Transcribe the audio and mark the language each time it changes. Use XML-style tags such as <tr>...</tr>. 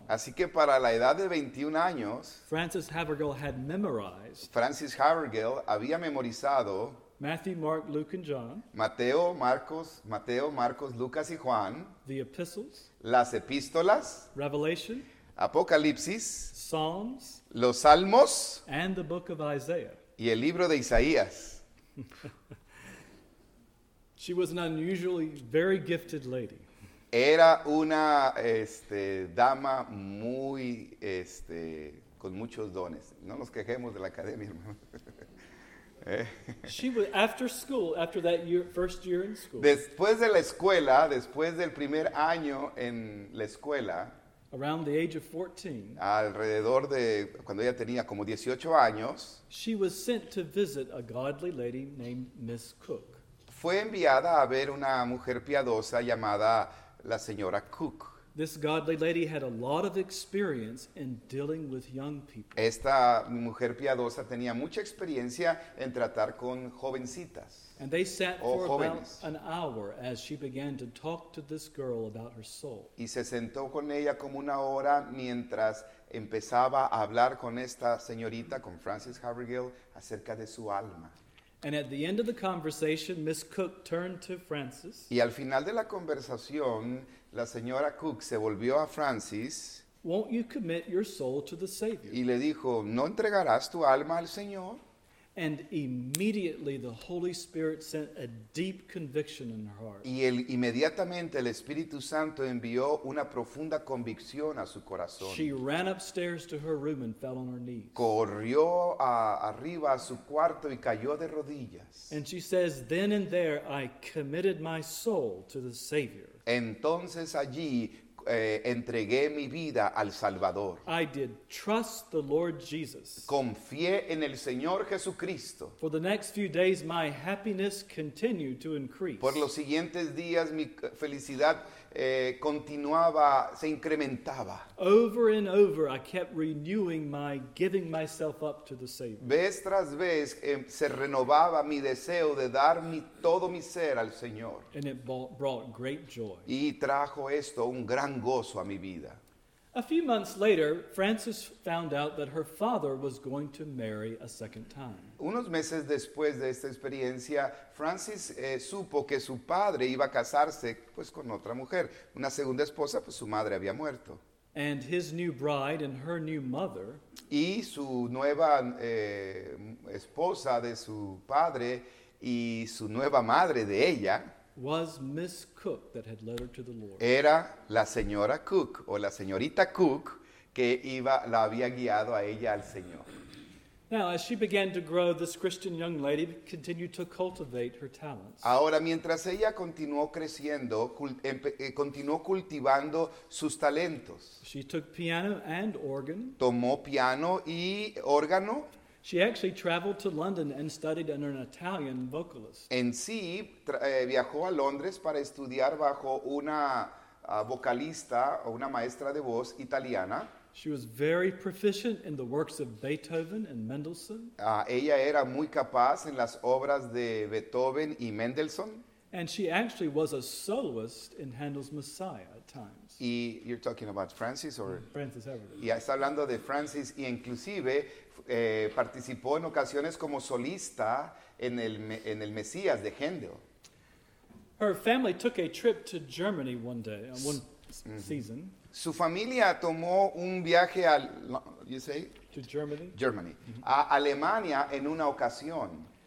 <es>así que para la edad de 21 años,</es> <en>Frances Havergal had memorized.</en> <es>Frances Havergal había memorizado</es> <en>Matthew, Mark, Luke, and John.</en> <es>Mateo, Marcos, Lucas y Juan.</es> <en>The epistles.</en> <es>Las epístolas.</es> <en>Revelation.</en> <es>Apocalipsis.</es> <en>Psalms.</en> <es>Los salmos.</es> <en>And the book of Isaiah.</en> <es>Y el libro de Isaías.</es> <en>She was an unusually very gifted lady.</en> <es>Era una dama muy con muchos dones. No nos quejemos de la academia, hermano.</es> <en>She was after school, after that year, first year in school.</en> <es>Después de la escuela, después del primer año en la escuela,</es> <en>around the age of 14,</en> <es>alrededor de cuando ella tenía como 18 años,</es> <en>she was sent to visit a godly lady named Miss Cook.</en> <es>Fue enviada a ver una mujer piadosa llamada la señora Cook.</es> <en>This godly lady had a lot of experience in dealing with young people.</en> <es>Esta mujer piadosa tenía mucha experiencia en tratar con jovencitas.</es> <en>And they sat for</en> <es>jóvenes.</es> <en>About an hour as she began to talk to this girl about her soul.</en> <es>Y se sentó con ella como una hora mientras empezaba a hablar con esta señorita, con Frances Havergal, acerca de su alma.</es> <en>And at the end of the conversation, Miss Cook turned to Frances.</en> <es>Y al final de la conversación, la señora Cook se volvió a Frances.</es> <en>"Won't you commit your soul to the Savior?"</en> <es>Y le dijo, "¿No entregarás tu alma al Señor?"</es> <en>And immediately the Holy Spirit sent a deep conviction in her heart.</en> <es>Y inmediatamente el Espíritu Santo envió una profunda convicción a su corazón.</es> <en>She ran upstairs to her room and fell on her knees.</en> <es>Corrió arriba a su cuarto y cayó de rodillas.</es> <en>And she says, "Then and there I committed my soul to the Savior."</en> <es>Entonces allí entregué mi vida al Salvador.</es> <en>I did trust the Lord Jesus.</en> <es>Confié en el Señor Jesucristo.</es> <en>For the next few days, my happiness continued to increase.</en> <es>Por los siguientes días, mi felicidad continuaba, se incrementaba.</es> <en>Over and over, I kept renewing my giving myself up to the Savior.</en> <es>Vez tras vez, se renovaba mi deseo de dar mi todo mi ser al Señor.</es> <en>And it brought great joy.</en> <es>Y trajo esto un gran gozo a mi vida.</es> <en>A few months later, Frances found out that her father was going to marry a second time.</en> <es>Unos meses después de esta experiencia, Frances supo que su padre iba a casarse pues con otra mujer. Una segunda esposa, pues su madre había muerto.</es> <en>And his new bride and her new mother.</en> <es>Y su nueva esposa de su padre y su nueva madre de ella.</es> <en>Was Miss Cook that had led her to the Lord.</en> <es>Era la señora Cook o la señorita Cook que iba, la había guiado a ella al Señor.</es> <en>Now, as she began to grow, this Christian young lady continued to cultivate her talents.</en> <es>Ahora, mientras ella continuó creciendo, continuó cultivando sus talentos.</es> <en>She took piano and organ.</en> <es>Tomó piano y órgano.</es> <en>She actually traveled to London and studied under an Italian vocalist.</en> <es>En sí, viajó a Londres para estudiar bajo una vocalista o una maestra de voz italiana.</es> <en>She was very proficient in the works of Beethoven and Mendelssohn.</en> <es>Ella era muy capaz en las obras de Beethoven y Mendelssohn.</es> <en>And she actually was a soloist in Handel's Messiah at times. Y you're talking about Frances or? Frances Everett.</en> <es>Y está hablando de Frances y inclusive participó en ocasiones como solista en el Mesías de Handel.</es> <en>Her family took a trip to Germany one day, one season.</en> <es>Su familia tomó un viaje al,</es> <en>you say? To Germany. Germany. Mm-hmm.</en> <es>A Alemania en una ocasión.</es>